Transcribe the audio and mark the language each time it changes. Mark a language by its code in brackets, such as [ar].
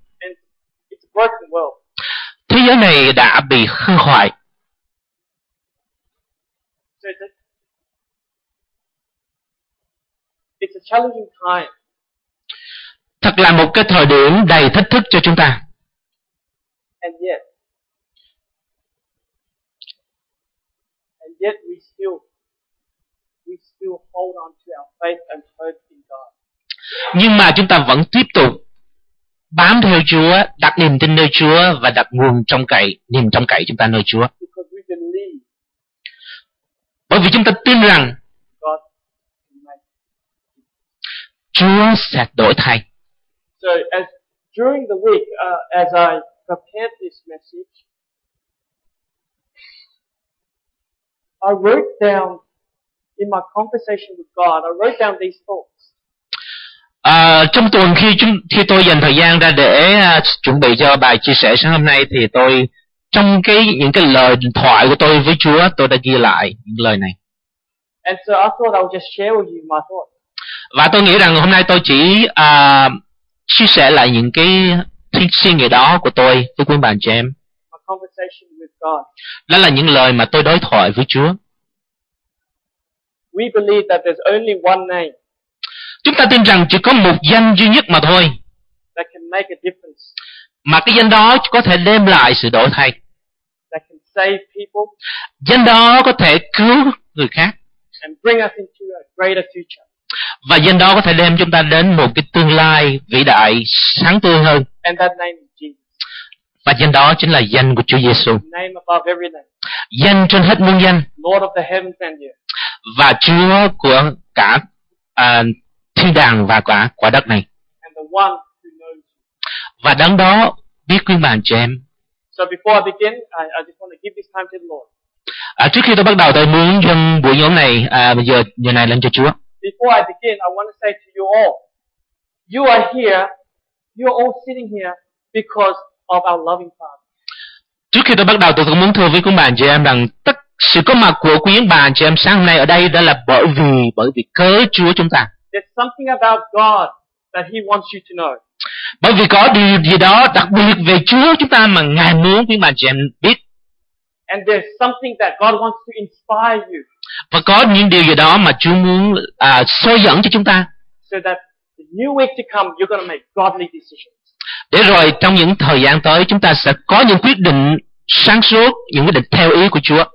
[en] And it's a broken world. [vi] Thế giới này đã bị hư hoại. [en] It's a challenging time. [vi] Thật là một cái thời điểm đầy thách thức cho chúng ta. [en] And yet we still hold on to our faith and hope in God. [vi] Nhưng mà chúng ta vẫn tiếp tục bám theo Chúa, đặt niềm tin nơi Chúa và đặt niềm trông cậy chúng ta nơi Chúa. [en] Because we believe. [vi] Bởi vì chúng ta tin rằng [en] God, [vi] Chúa sẽ đổi thay. [en] So as during the week, as I prepared this message, I wrote down in my conversation with God, I wrote down these thoughts. [vi] Trong tuần khi tôi dành thời gian ra để chuẩn bị cho bài chia sẻ sáng hôm nay thì tôi trong cái những cái lời thoại của tôi với Chúa, tôi đã ghi lại những lời này. [en] And so I thought I would just share with you my thoughts. [vi] Và tôi nghĩ rằng hôm nay tôi chỉ chia sẻ lại những cái suy nghĩ đó của tôi với quý bạn chị em. [en] My conversation with God. [vi] Đó là những lời mà tôi đối thoại với Chúa. [en] We believe that there's only one name. [vi] Chúng ta tin rằng chỉ có một danh duy nhất mà thôi. [en] That can make a difference. [vi] Mà cái danh đó có thể đem lại sự đổi thay. [en] That can save people. [vi] Danh đó có thể cứu người khác. [en] And bring us into a greater future. [vi] Và danh đó có thể đem chúng ta đến một cái tương lai vĩ đại, sáng tươi hơn. [en] And that name is Jesus. [vi] Và danh đó chính là danh của Chúa Giê-xu. [en] Name above every name. [vi] Danh trên hết muôn danh. [en] Lord of the heavens and earth. [vi] Và Chúa của cả thiên đàng và quả đất này. [en] And the one who knows. [vi] Và đấng đó biết quyên bàn cho em. [en] So before I begin, I just want to give this time to the Lord. [vi] Trước khi tôi bắt đầu, tôi muốn dâng buổi nhóm này, giờ này lên cho Chúa. [en] Before I begin, I want to say to you all, you are here, you are all sitting here because of our loving Father. [vi] Trước khi tôi bắt đầu, tôi cũng muốn thưa với quyên bàn cho em rằng tất sự có mặt của quyên bàn cho em sáng hôm nay ở đây đó là bởi vì cớ Chúa chúng ta. [en] There's something about God that He wants you to know. [vi] Bởi vì có điều gì đó đặc biệt về Chúa chúng ta mà Ngài muốn quý bạn chị em biết. [en] And there's something that God wants to inspire you. [vi] Và có những điều gì đó mà Chúa muốn soi dẫn cho chúng ta. [en] So that the new week to come, you're going to make godly decisions. [vi] Để rồi trong những thời gian tới chúng ta sẽ có những quyết định sáng suốt, những quyết định theo ý của Chúa.